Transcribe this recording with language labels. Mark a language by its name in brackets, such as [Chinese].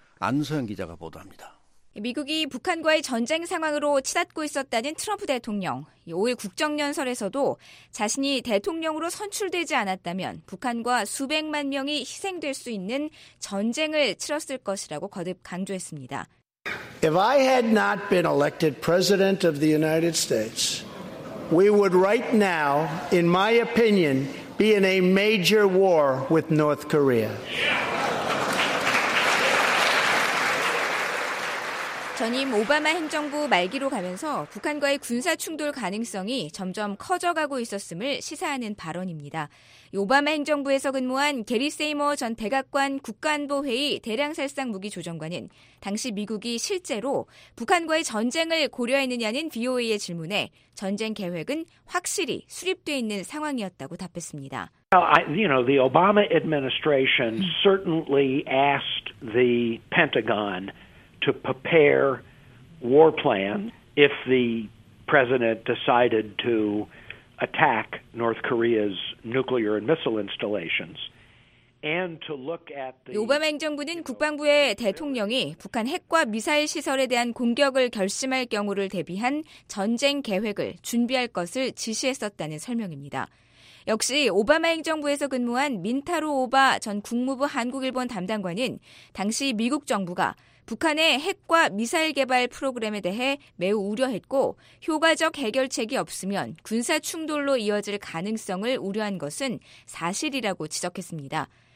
[Korean] 안소영 기자가 보도합니다. 미국이 북한과의 전쟁 상황으로 치닫고 있었다는 트럼프 대통령. 5일 국정연설에서도 자신이 대통령으로 선출되지 않았다면 북한과 수백만 명이 희생될 수 있는 전쟁을 치렀을 것이라고 거듭 강조했습니다. [English] If I had not been elected president of the United States, we would right now, in my opinion, be in a major war with North Korea. [Korean] 전임 오바마 행정부 말기로 가면서 북한과의 군사 충돌 가능성이 점점 커져가고 있었음을 시사하는 발언입니다. 오바마 행정부에서 근무한 게리 세이머 전 백악관 국가안보회의 대량살상무기조정관은 당시 미국이 실제로 북한과의 전쟁을 고려했느냐는 VOA의 질문에 전쟁 계획은 확실히 수립돼 있는 상황이었다고 답했습니다. [English] Well, the Obama administration certainly asked the Pentagon to prepare war plan if the president decided to attack North Korea's nuclear and missile installations and to look at the [Korean] 오바마 행정부는 국방부의 대통령이 북한 핵과 미사일 시설에 대한 공격을 결심할 경우를 대비한 전쟁 계획을 준비할 것을 지시했었다는 설명입니다. 역시 오바마 행정부에서 근무한 민타로 오바 전 국무부 한국일본 담당관은 당시 미국 정부가 북한의 핵과 미사일 개발 프로그램에 대해 매우 우려했고 효과적 해결책이 없으면 군사 충돌로 이어질 가능성을 우려한 것은 사실이라고 지적했습니다.